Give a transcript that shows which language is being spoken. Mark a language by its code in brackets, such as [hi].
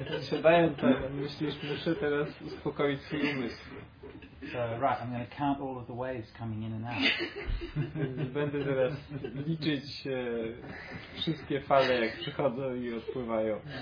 [pl] Siadając tam, myślisz, muszę teraz uspokoić swój umysł. [en] So, right, I'm going to count all of the waves coming in and out. [pl] Będę teraz liczyć wszystkie fale, jak przychodzą i odpływają.